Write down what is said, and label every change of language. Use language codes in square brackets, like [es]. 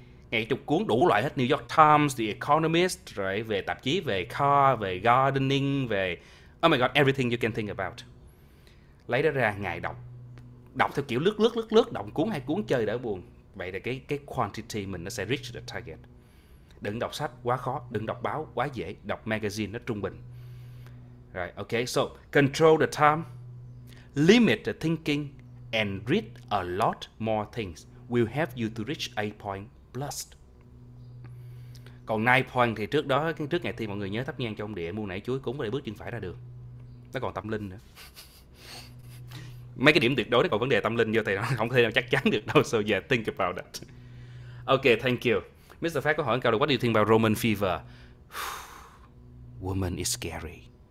[vi] Ngày chục cuốn đủ loại hết, New York Times, The Economist, rồi về tạp chí, về car, về gardening, về oh my god, everything you can think about. Lấy đó ra ngày đọc. Đọc theo kiểu lướt, đọc cuốn hai cuốn chơi đỡ buồn. Vậy là cái quantity mình nó sẽ reach the target. Đừng đọc sách quá khó, đừng đọc báo quá dễ, đọc magazine nó trung bình. [en] Right, okay, so control the time, limit the thinking, and read a lot more things will help you to reach 8 point plus. [vi] Còn 9 point thì trước đó, trước ngày thi mọi người nhớ thắp nhang cho ông địa, mua nải chuối cũng có thể bước chân phải ra đường. Nó còn tâm linh nữa. Mấy cái điểm tuyệt đối nó còn vấn đề tâm linh vô thì nó không thể nào chắc chắn được đâu. So yeah, think about that. Okay, thank you. Mr. Phát có hỏi câu là what do you think about Roman fever? Woman is scary.